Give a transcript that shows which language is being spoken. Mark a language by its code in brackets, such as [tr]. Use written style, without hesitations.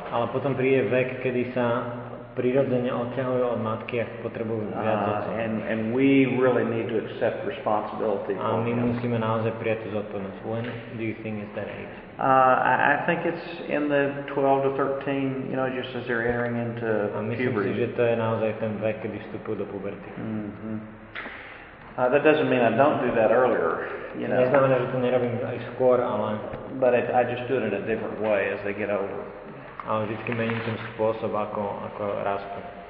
[sk] Ale potom príde vek, kedy sa prirodzene odťahujú od matky a potrebujú viac otca. [en] And we really need to accept responsibility. [sk] A my musíme naozaj prijať tú zodpovednosť. [en] When do you think is that age? I think it's in the 12 to 13, you know, just as they're entering into puberty. [sk] A myslím si, že to je naozaj ten vek, kedy vstupujú do puberty. Mm-hmm. [en] That doesn't mean I don't do that earlier, you know. [sk] Neznamená, že to nerobím aj skôr, ale... [en] But I just do it in a different way as they get older. [sk] Ale vždycky mením ten spôsob, ako rastú.